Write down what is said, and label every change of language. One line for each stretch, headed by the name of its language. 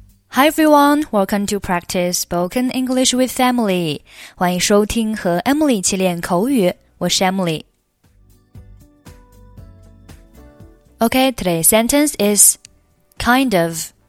English: Hi everyone, welcome to practice spoken English with Emily.
Chinese: 欢迎收听和 Emily 一起练口语，我是 Emily.
English: Okay, today's sentence is kind of.